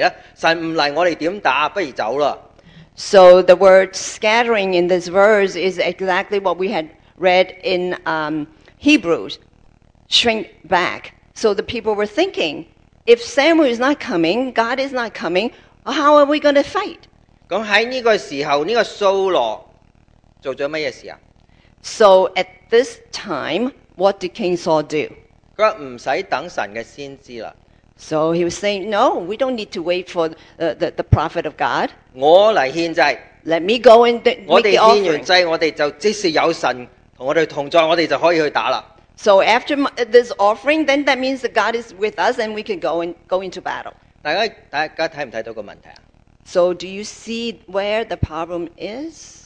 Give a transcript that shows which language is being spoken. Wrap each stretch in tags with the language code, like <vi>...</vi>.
<zh>其實這裡所說的散去就是我們今天想說的退後，大家看到神的使者不來，是不是神不來呢？神不來，我們怎麼打，不如走吧。So</zh> <en>the word scattering in this verse is exactly what we had read in Hebrews, shrink back. So the people were thinking, if Samuel is not coming, God is not coming, how are we going to fight?</en> <zh>在這個時候，這個掃羅 做了什么事啊?</zh> <en>So at this time, what did King Saul do?</en> <zh>他说不用等神的先知了。So</zh> <en>he was saying, no, we don't need to wait for the prophet of God.</en> <zh>我来献祭。Let</zh> <en>me go and make the offering.</en> <zh>我们献完祭，我们就即使有神和我们同在，我们就可以去打了。So</zh> <en>after this offering, then that means that God is with us and we can go into battle.</en> <zh>大家看不看到个问题啊?</zh> <en>So do you see where the problem is?</en>